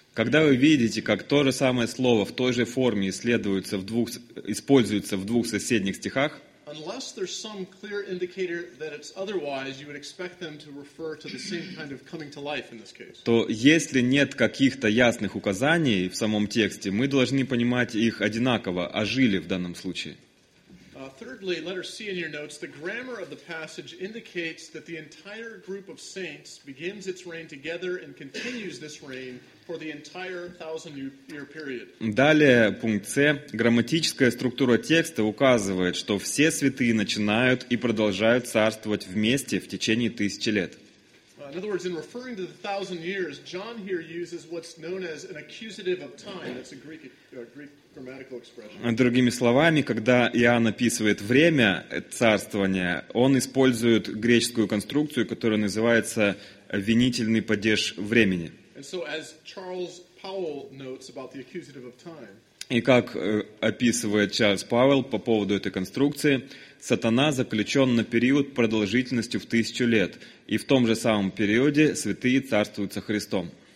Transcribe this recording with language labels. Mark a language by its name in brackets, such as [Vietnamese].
[Russian] когда вы видите, как то же самое слово в той же форме используется в двух соседних стихах, [English] unless there's some clear indicator that it's otherwise, you would expect them to refer to the same kind of coming to life in this case. [Russian] То если нет каких-то ясных указаний в самом тексте, мы должны понимать их одинаково, ожили в данном случае. [English] Thirdly, letter C in your notes, the grammar of the passage indicates that the entire group of saints begins its reign together and continues this reign for the entire thousand-year period. [Russian] Далее, пункт С, грамматическая структура текста указывает, что все святые начинают и продолжают царствовать вместе в течение тысячи лет. [English] In other words, in referring to the thousand years, John here uses what's known as an accusative of time. That's a Greek grammatical expression. [Russian] Другими словами, когда Иоанн описывает время царствования, он использует греческую конструкцию, которая называется винительный падеж времени. [English] And so, as Charles Powell notes about the accusative of time. [Russian] И как описывает Чарльз Пауэлл по поводу этой конструкции, сатана заключен на период продолжительностью в тысячу лет, и в том же самом периоде святые царствуют со Христом.